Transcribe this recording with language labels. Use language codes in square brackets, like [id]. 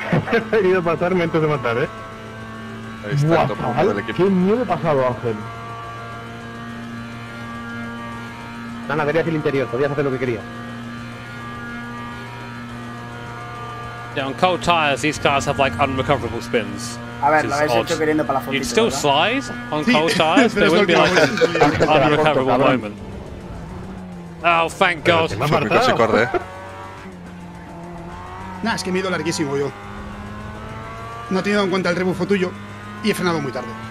[es] He querido pasarme antes de matar, ¿eh? Ahí está. Buah, el topo del equipo. ¡Qué miedo he pasado, Ángel! Nada, verías el interior, podías hacer lo que querías. [en] Yeah, on cold tires, these cars have like unrecoverable spins. [es] A ver, lo habéis hecho queriendo para la fotito, [en] you'd still slide on cold tires, there wouldn't be like an unrecoverable moment. Oh, thank God. [es] Pero que me ha marcado. Nah, es que me he ido larguísimo yo. No he tenido en cuenta el rebufo tuyo y he frenado muy tarde.